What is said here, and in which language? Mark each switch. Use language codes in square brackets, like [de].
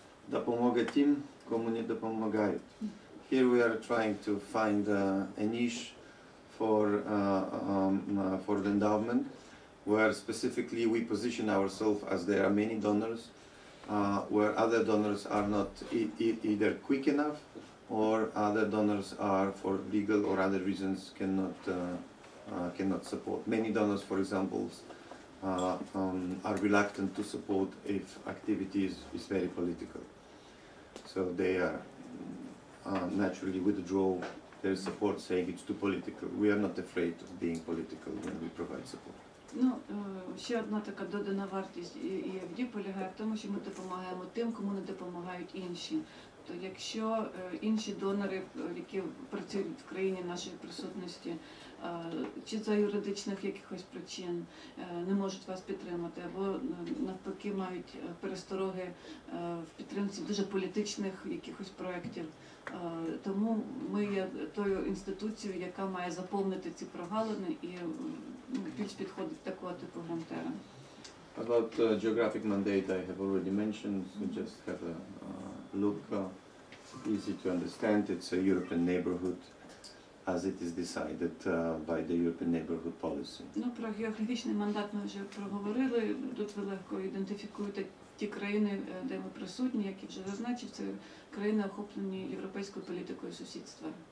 [uk] Допомога тим, кому не допомагають. [en] Here we are trying to find a niche for the endowment, where specifically we position ourselves as there are many donors, where other donors are not either quick enough, or other donors are for legal or other reasons cannot support. Many donors, for example, are reluctant to support if activity is very political. So they are naturally withdraw their support, saying it's too political. We are not afraid of being political when we provide support. [uk] Ну, ще одна така додана вартість EFD полягає в тому, що ми допомагаємо тим, кому не допомагають інші. То якщо інші донори, які працюють в країні нашої присутності, чи за юридичних якихось причин не можуть вас підтримати, або навпаки мають перестороги в підтримці дуже політичних якихось проєктів. Тому ми є тою інституцією, яка має заповнити ці прогалини і більш підходить такого типу грантера. [en] About geographic mandate I have already mentioned, so just have a look. Easy to understand, it's a European neighborhood as it is decided by the European neighborhood policy. [uk] Ну, про географічний мандат ми вже проговорили. Тут ви легко ідентифікуєте ті країни, де ми присутні, як я вже зазначив, це країни, охоплені європейською політикою сусідства.